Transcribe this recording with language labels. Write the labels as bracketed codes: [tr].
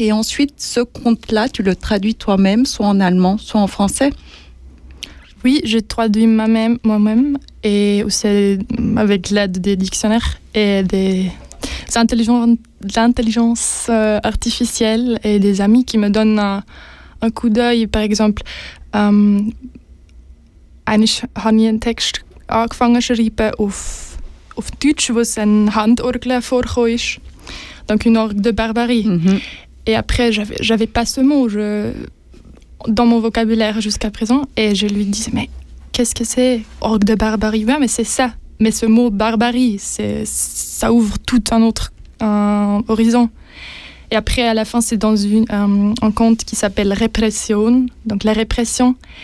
[fr] Et ensuite, ce conte-là, tu le traduis toi-même, soit en allemand, soit en français. Oui, j'ai traduit moi-même, et c'est avec l'aide des dictionnaires et des intelligences artificielles et des amis qui me donnent un coup d'œil. Par exemple, [de] eigentlich habe ich einen Text angefangen zu schreiben auf Deutsch, wo es ein Handorgel vorkommt ist, [fr] donc une orgue de barbarie. Et après, j'avais pas ce mot. Dans mon vocabulaire jusqu'à présent, et je lui disais, mais qu'est-ce que c'est orgue de barbarie? Ouais, mais c'est ça. Mais ce mot barbarie, ça ouvre tout un autre horizon. Et après, à la fin, c'est dans un conte qui s'appelle Repression, donc la répression.